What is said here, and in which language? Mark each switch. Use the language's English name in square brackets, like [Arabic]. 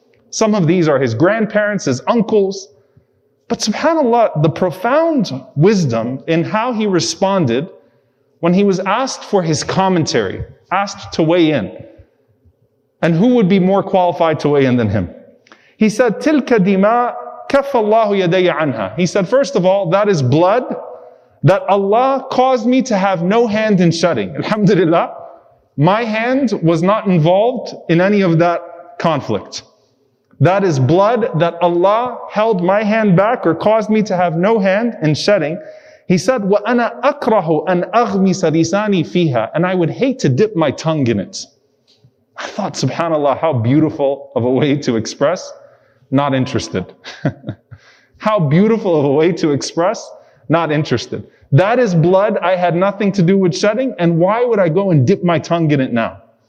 [English] Some of these are his grandparents, his uncles. But subhanAllah, the profound wisdom in how he responded when he was asked for his commentary, asked to weigh in. And who would be more qualified to weigh in than him? He said, [Arabic] تِلْكَ دِمَا كَفَّ اللَّهُ يَدَيَّ عَنْهَا. [English] He said, first of all, that is blood that Allah caused me to have no hand in shedding. Alhamdulillah, my hand was not involved in any of that conflict. That is blood that Allah held my hand back or caused me to have no hand in shedding. He said, [Arabic] وَأَنَا أَكْرَهُ أَنْ أَغْمِسَ لِسَانِي فِيهَا. [English] And I would hate to dip my tongue in it. I thought, subhanAllah, how beautiful of a way to express, not interested. How beautiful of a way to express, not interested. That is blood, I had nothing to do with shedding, and why would I go and dip my tongue in it now?